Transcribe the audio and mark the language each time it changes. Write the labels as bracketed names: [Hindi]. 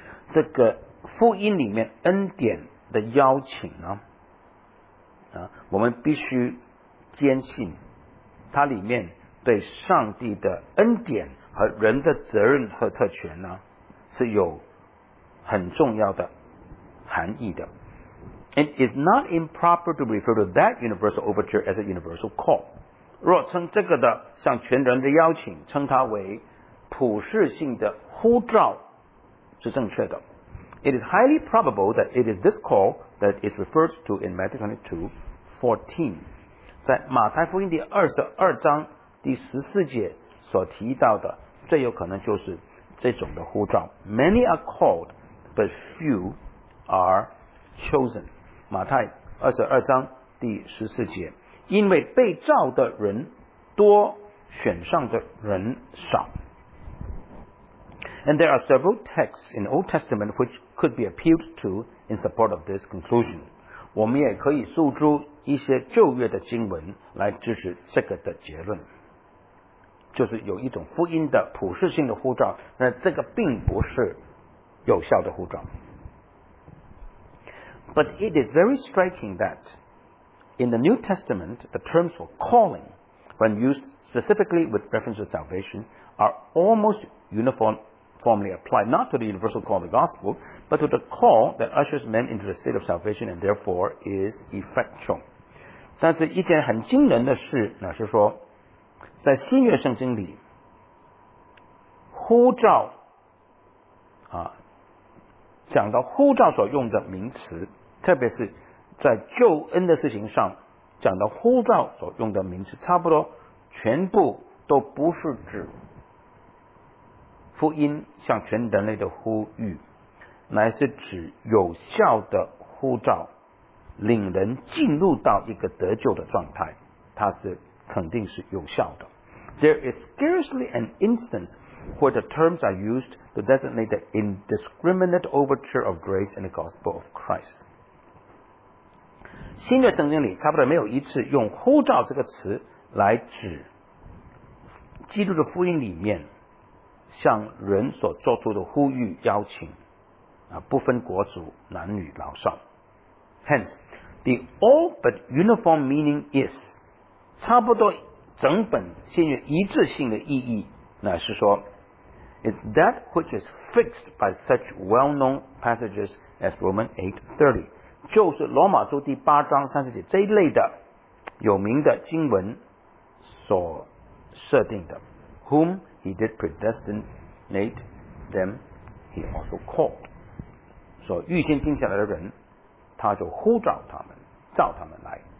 [Chinese] 这个福音里面恩典的邀请呢，我们必须坚信它里面对上帝的恩典和人的责任和特权呢是有很重要的含义的。 [English] It is not improper to refer to that universal overture as a universal call。 [Chinese] 若称这个的向全人的邀请称它为普世性的呼召是正确的。 [English] It is highly probable that it is this call that is referred to in Matthew 22:14， [Chinese] 在马太福音第22章第14节所提到的最有可能就是这种的呼召。 [English] Many are called but few are chosen， [Chinese] 马太22章第14节，因为被召的人多，选上的人少。 [English] And there are several texts in the Old Testament which could be appealed to in support of this conclusion。 [Chinese] 我们也可以诉诸一些旧约的经文来支持这个的结论，就是有一种福音的普世性的护照，那这个并不是有效的护照。 [English] But it is very striking that in the New Testament the terms for calling when used specifically with reference to salvation are almost uniformly applied not to the universal call of the gospel but to the call that ushers men into the state of salvation and therefore is effectual. [Chinese] 但是一件很惊人的事那是说在新约圣经里呼召啊，讲到呼召所用的名词，特别是在救恩的事情上讲到呼召所用的名词，差不多全部都不是指福音向全人类的呼吁，乃是指有效的呼召，领人进入到一个得救的状态，它是肯定是有效的。 [English] There is scarcely an instance where the terms are used to designate the indiscriminate overture of grace in the gospel of Christ. [Chinese] 新约圣经里差不多没有一次用呼召这个词来指基督的福音里面向人所做出的呼吁邀请，不分国族男女老少。 [English] Hence, the all but uniform meaning is [Chinese] 差不多整本新约一致性的意义乃是说 [English] is that which is fixed by such well-known passages as Romans 8:30 [Chinese] 就是罗马书第八章三十节这一类的有名的经文所设定的 [English] whom he did predestinate them he also called [Chinese] 所预先定下来的人他就呼召他们召他们来